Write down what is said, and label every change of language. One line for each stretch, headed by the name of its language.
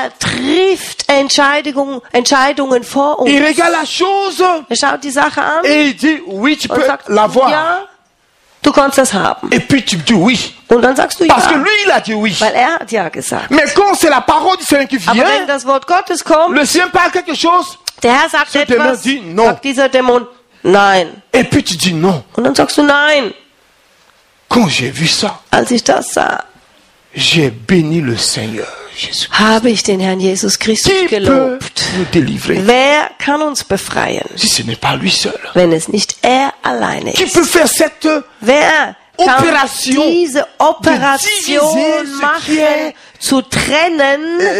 German: Er trifft Entscheidungen vor uns.
French: Il regarde la chose.
German: Er schaut die Sache an.
French: Et il dit oui, tu peux l'avoir.
German: Ja, du kannst das haben.
French: Et puis tu dis oui.
German: Und dann sagst du ja.
French: Parce que lui, il a dit oui.
German: Weil er hat ja gesagt.
French: Mais quand c'est la parole du Seigneur qui vient,
German: aber wenn das Wort Gottes kommt,
French: le Seigneur parle quelque chose,
German: der Herr sagt
French: ce
German: etwas,
French: dit non.
German: Sagt dieser Dämon nein.
French: Et puis tu dis non.
German: Und dann sagst du nein.
French: Quand j'ai vu ça,
German: als ich das sah,
French: j'ai béni le Seigneur Jesus.
German: Habe ich den Herrn Jesus Christus
French: qui
German: gelobt.
French: Peut délivrer,
German: wer kann uns befreien?
French: Si ce n'est pas lui seul,
German: wenn es nicht er alleine ist.
French: Qui peut faire cette
German: wer kann Operation diese Operation machen, zu trennen,